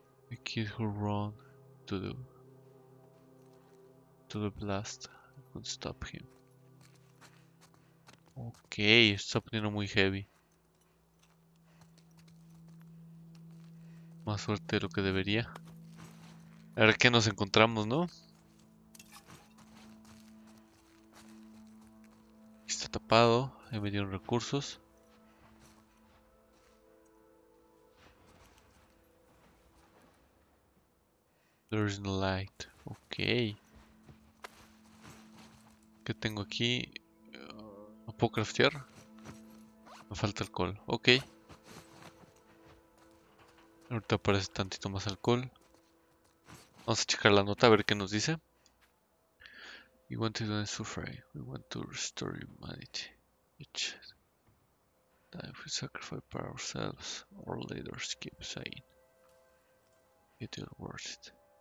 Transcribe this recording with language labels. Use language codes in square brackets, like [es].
[en] The kid who run to the blast. I can't stop him. [es] Okay, esto está poniendo muy heavy. Más suerte de lo que debería. A ver qué nos encontramos, ¿no? Está tapado. Ahí me dieron recursos. [en] There is no light. [es] Ok. ¿Qué tengo aquí? ¿No puedo craftear? Me falta alcohol. Ok. Ahorita aparece tantito más alcohol. Vamos a checar la nota a ver qué nos dice. [en] We want to end suffering. We want to restore humanity. Which that if we sacrifice for ourselves, our leaders keep saying. It is worth it.